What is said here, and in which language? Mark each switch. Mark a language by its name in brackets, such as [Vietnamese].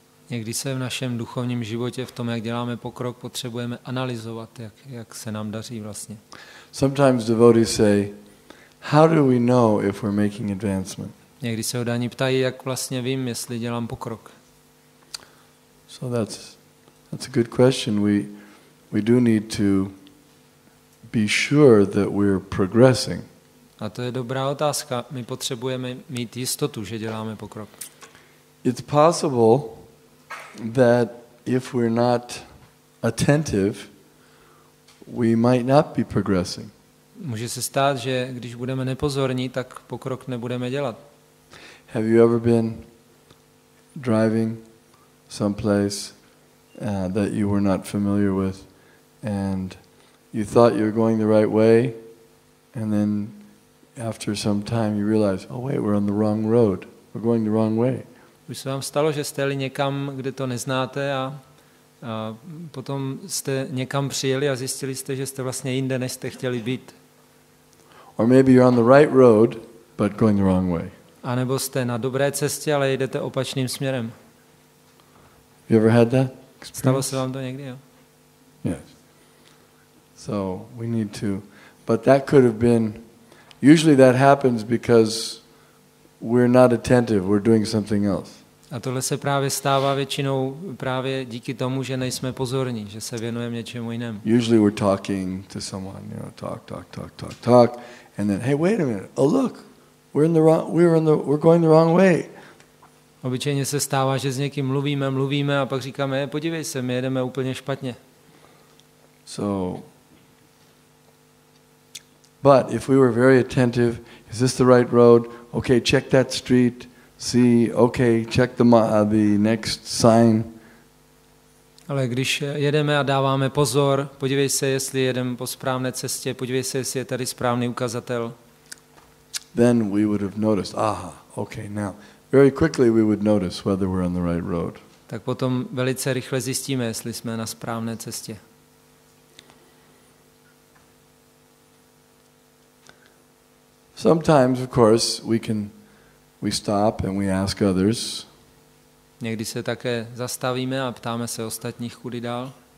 [Czech] Někdy se v našem duchovním životě, v tom, jak děláme pokrok, potřebujeme analyzovat, jak se nám daří vlastně. [English] Sometimes devotees say, how do we know if we're making advancement? [Czech] Někdy se odaní ptají, jak vlastně vím, jestli dělám pokrok. [English] So that's a good question. We do need to be sure that we're progressing. [Czech] A to je dobrá otázka. My potřebujeme mít jistotu, že děláme pokrok. [English] It's possible that if we're not attentive, we might not be progressing. [Czech] Může se stát, že když budeme nepozorní, tak pokrok nebudeme dělat. [English] Have you ever been driving someplace that you were not familiar with and you thought you were going the right way and then after some time you realize, oh wait, we're on the wrong road, we're going the wrong way? [Czech] Už se vám stalo, že jste jeli někam, kde to neznáte a potom jste někam přijeli a zjistili jste, že jste vlastně jinde, než jste chtěli být? [English] Or maybe you're on the right road, but going the wrong way. [Czech] A nebo jste na dobré cestě, ale jdete opačným směrem. [English] You ever had that experience? [Czech] Stalo se vám to někdy, jo? [English] Yes. So we need to, but that could have been. Usually that happens because we're not attentive. We're doing something else. [Czech] A tohle se právě stává většinou právě díky tomu, že nejsme pozorní, že se věnujeme něčemu jinému. [English] Usually we're talking to someone, you know, talk, and then, hey, wait a minute, oh look. We're going the wrong way. [Czech] Obyčejně se stává, že s někým mluvíme a pak říkáme, podívej se, my jedeme úplně špatně. [English] So, but if we were very attentive, is this the right road? Okay, check that street. See, okay, check the next sign. [Czech] Ale když jedeme a dáváme pozor, podívej se, jestli jedeme po správné cestě, podívej se, jestli je tady správný ukazatel. [English] Then we would have noticed, aha, okay, now. Very quickly we would notice whether we're on the right road. [Czech] Tak potom velice rychle zjistíme, jestli jsme na správné cestě. [English] Sometimes, of course, we stop and we ask others. [Czech] Někdy se také zastavíme a ptáme se ostatních, kudy dál.